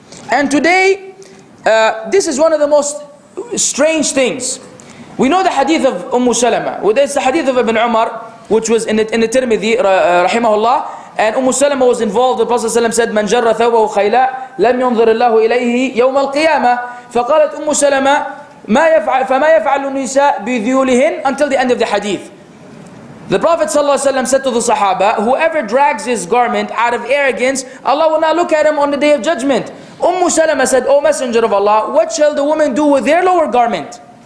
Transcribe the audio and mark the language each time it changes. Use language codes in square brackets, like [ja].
[en] And today, this is one of the most strange things. We know the hadith of Umm Salama. It's the hadith of Ibn Umar, which was in the Tirmidhi, rahimahullah, and Umm Salama was involved. The Prophet ﷺ said, [ar] "Man jarra thawbahu khayla, lam yunzir Allahu ilayhi yawm al-qiyamah." فقالت أم سلمة ما يفعل فما يفعل النساء بذيولهن [en] until the end of the hadith. The Prophet ﷺ said to the Sahaba, "Whoever drags his garment out of arrogance, Allah will not look at him on the day of judgment." Umm Salama said, "O Messenger of Allah, what shall the woman do with their lower garment?"